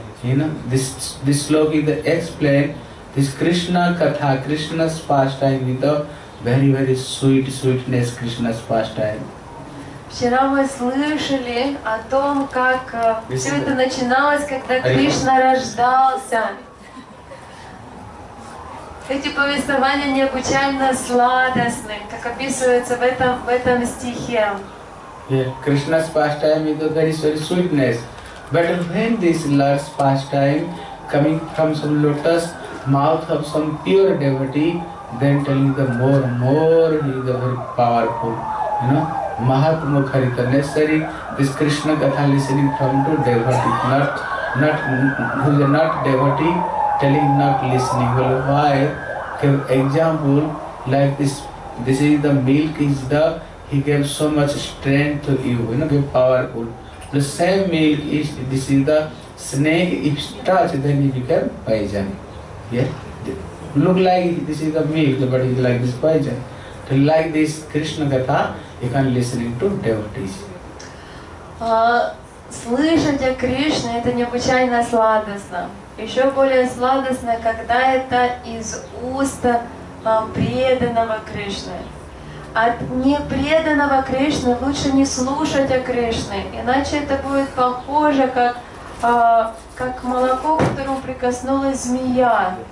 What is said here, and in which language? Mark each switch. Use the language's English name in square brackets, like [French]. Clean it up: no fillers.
[English] You know, this slok is explained, this Krishna Katha, Krishna's pastime with a very, very sweetness, Krishna's pastime. [Russian] Вчера мы слышали о том, как все это начиналось, когда Кришна рождался. Эти повествования необычайно сладостны, как описывается в этом стихе. [English] Yeah, Krishna's pastime with a very, very sweetness. But when this Lord's pastime coming from some lotus mouth of some pure devotee, then telling the more he is very powerful, you know, Mahatma Kharita. Necessary this Krishna Katha listening from to devotee, not devotee, telling not listening. Well, why? Example, like this is the milk is the, he gave so much strength to you, you know, very powerful. The same milk is, this is the snake, if touch, then he become poison. Yeah? Look like this is the milk, but it's like this poison. So like this Krishna Gatha, you can listen to devotees. [Russian] Слышать о Кришне – это необычайно сладостно. Еще более сладостно, когда это из уст преданного Кришны. От непреданного Кришны лучше не слушать о Кришне, иначе это будет похоже, как молоко, к которому прикоснулась змея.